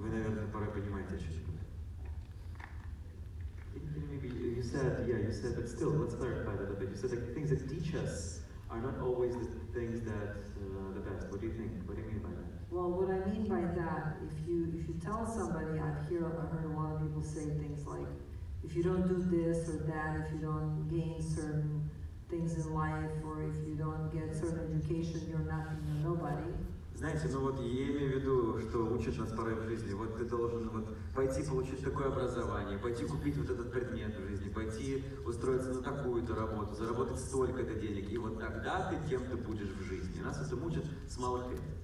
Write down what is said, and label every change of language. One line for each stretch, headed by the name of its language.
Russian: Вы, наверное, пора понимаете, о чем я говорю.
English: You said, but still, let's clarify that a bit. You said that things that teach us are not always the things that the best. What do you think? What do you mean by that? Well, what I mean by that, if you tell somebody, I've heard a lot of people say things like, if you don't do this or that, if you don't gain certain things in life, or if you don't get certain education, you're nothing, you're nobody.
Russian: Знаете, ну вот я имею в виду, что учат нас порой в жизни. Вот ты должен вот пойти получить такое образование, пойти купить вот этот предмет в жизни, пойти устроиться на такую-то работу, заработать столько-то денег, и вот тогда ты кем-то будешь в жизни. Нас это мучат с малых лет.